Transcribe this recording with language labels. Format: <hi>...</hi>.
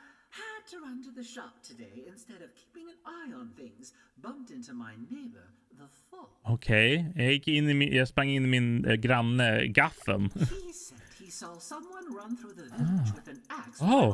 <en>Had to run to the shop today instead of keeping an eye on things. Bumped into my neighbor, the fox.</en> <sv>Okej, okay. Jag sprang in i min granne Gaffen.</sv> <en>He saw someone run through the village with an axe.</en>